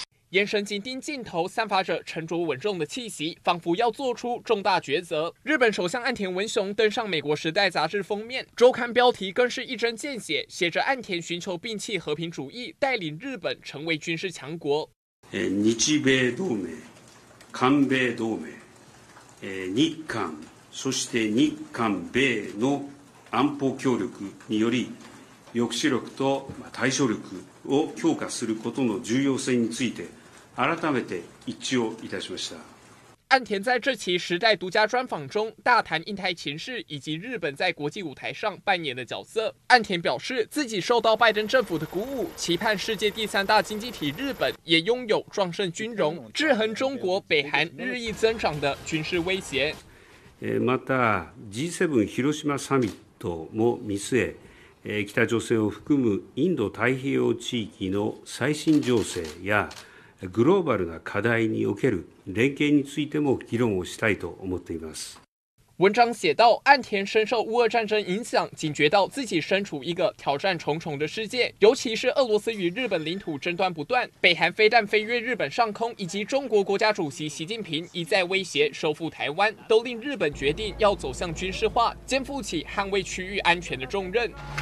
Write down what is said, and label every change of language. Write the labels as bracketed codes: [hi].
[zh] 眼神紧盯镜头，散发着沉着稳重的气息，仿佛要做出重大抉择。日本首相岸田文雄登上美国《时代》杂志封面，周刊标题更是一针见血，写着岸田寻求摒弃和平主义，带领日本成为军事强国。 [ja] 日米同盟、韩米同盟、日韩、そして日韓米の安保協力により、抑止力と対処力。を強化することの重要性について改めて一致をいたしました。 [zh] 岸田在这期《时代》独家专访中大谈印太情势以及日本在国际舞台上扮演的角色。岸田表示自己受到拜登政府的鼓舞，期盼世界第三大经济体日本也拥有壮盛军容，制衡中国、北韩日益增长的军事威胁。 [ja] また G7 広島サミットも見据え。北朝鮮を含むインド太平洋地域の最新情勢やグローバルな課題における連携についても議論をしたいと思っています。 [zh] 文章写道，岸田深受乌俄战争影响，警觉到自己身处一个挑战重重的世界，尤其是俄罗斯与日本领土争端不断，北韩飞弹飞越日本上空，以及中国国家主席习近平一再威胁收复台湾，都令日本决定要走向军事化，肩负起捍卫区域安全的重任。